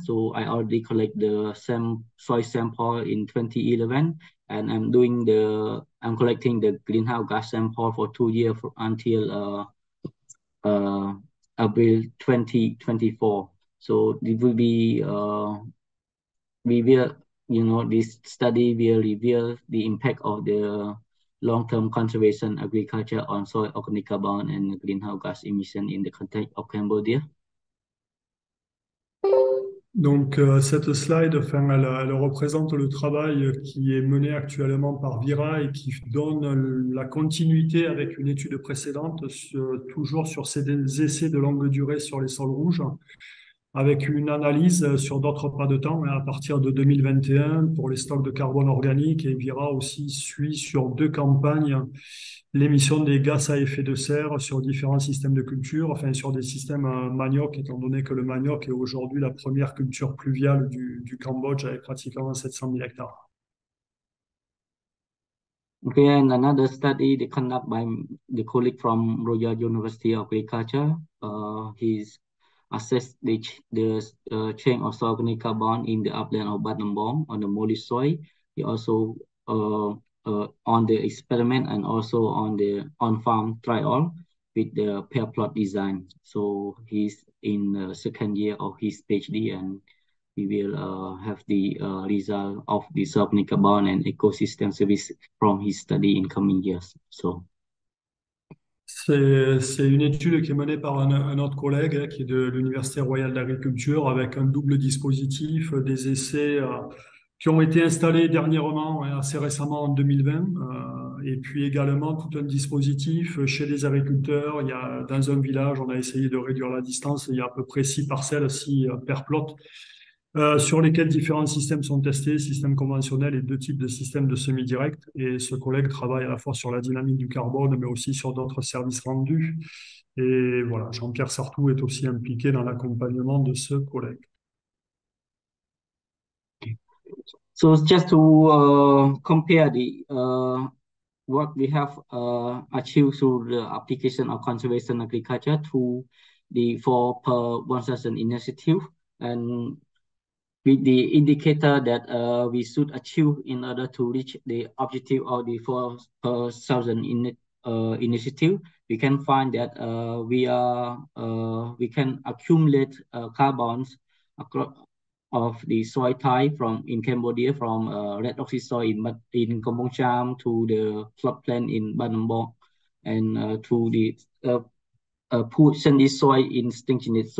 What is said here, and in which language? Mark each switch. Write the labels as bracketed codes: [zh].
[en] So I already collect the same soil sample in 2011, and I'm collecting the greenhouse gas sample for 2 years until April 2024. So it will be we will this study will reveal the impact of the long-term conservation agriculture on soil organic carbon and greenhouse gas emission in the context of Cambodia. [fr] Donc, cette slide, enfin, elle représente le travail qui est mené actuellement par VIRA et qui donne la continuité avec une étude précédente, toujours sur ces essais de longue durée sur les sols rouges, avec une analyse sur d'autres pas de temps à partir de 2021 pour les stocks de carbone organique. Et VIRA aussi suit sur deux campagnes l'émission des gaz à effet de serre sur différents systèmes de culture, enfin sur des systèmes manioc, étant donné que le manioc est aujourd'hui la première culture pluviale du Cambodge avec pratiquement 700 000 hectares. [en] Okay, and another study they conduct by the colleague from Royal University of Agriculture. He's assessed the change of soil organic carbon in the upland of Battambang on the Molish soil. He also on the experiment and also on the on-farm trial with the pair plot design. So he's in the second year of his PhD, and we will have the result of the soil organic carbon and ecosystem service from his study in coming years. So. [fr] C'est une étude qui est menée par un autre collègue, qui est de l'Université royale d'agriculture, avec un double dispositif, des essais qui ont été installés dernièrement, assez récemment en 2020, et puis également tout un dispositif chez les agriculteurs. Il y a, dans un village, on a essayé de réduire la distance, il y a à peu près 6 parcelles, 6 paire-plotes. Sur lesquels différents systèmes sont testés, systèmes conventionnels et deux types de systèmes de semis directs. Et ce collègue travaille à la fois sur la dynamique du carbone, mais aussi sur d'autres services rendus. Et voilà, Jean-Pierre Sartou est aussi impliqué dans l'accompagnement de ce collègue. [en] So it's just to compare the what we have achieved through the application of conservation agriculture to the 4 per 1,000 initiative, and with the indicator that we should achieve in order to reach the objective of the 4 per 1,000 initiative, we can find that we can accumulate carbons across of the soil type in Cambodia from red oxy soil in Kampong Cham to the floodplain in Battambang, and to the poor sandy soil in Stinchinit.